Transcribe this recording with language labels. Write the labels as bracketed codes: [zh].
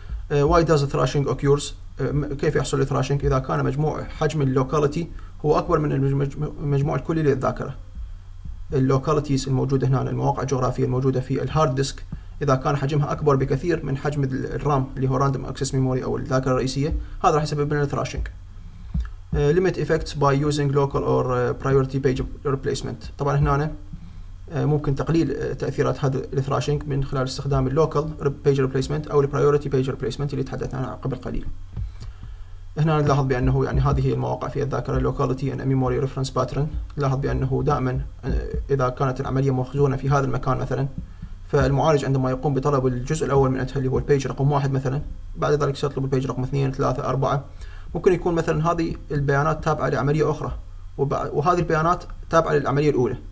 [en] Why does thrashing occurs؟ [ar] كيف يحصل الثراشينج إذا كان مجموع حجم اللوكاليتي هو أكبر من المجموع الكلي للذاكرة؟ اللوكاليتيز الموجودة هنا، المواقع الجغرافية الموجودة في الهارد ديسك، إذا كان حجمها أكبر بكثير من حجم الرام اللي هو Random Access Memory أو الذاكرة الرئيسية، هذا راح يسبب لنا thrashing. [en] Limit effects by using local or priority page replacement، [ar] طبعا هنا ممكن تقليل تأثيرات هذا thrashing من خلال استخدام local page replacement أو priority page replacement اللي تحدثنا عنها قبل قليل. هنا نلاحظ بأنه يعني هذه هي المواقع في الذاكرة [en] Locality and Memory Reference Pattern. [ar] نلاحظ بأنه دائما إذا كانت العملية مخزونة في هذا المكان مثلا، فالمعالج عندما يقوم بطلب الجزء الأول من اللي هو البيج رقم واحد مثلا، بعد ذلك سيطلب البيج رقم 2 3 4، ممكن يكون مثلا هذه البيانات تابعة لعملية أخرى وهذه البيانات تابعة للعملية الأولى.